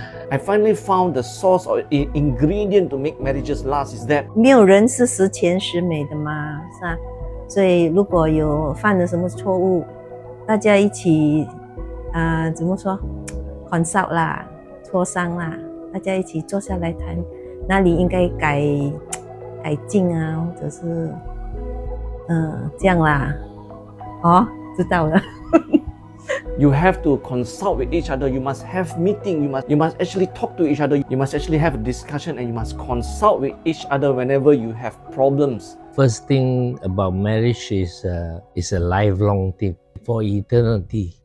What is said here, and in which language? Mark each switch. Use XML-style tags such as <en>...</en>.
<en>I finally found the source or ingredient to make marriages last is that</en> <zh>没有人是十全十美的嘛，是吧？所以如果有犯了什么错误， 大家一起 怎么说， consult 啦， 磋商啦， 大家一起坐下来谈， 哪里应该改进啊， 或者是 这样啦，哦，知道了。</zh> <en>You have to consult with each other. You must have meeting. You must actually talk to each other. You must actually have a discussion, and you must consult with each other whenever you have problems. First thing about marriage is a lifelong thing for eternity.</en>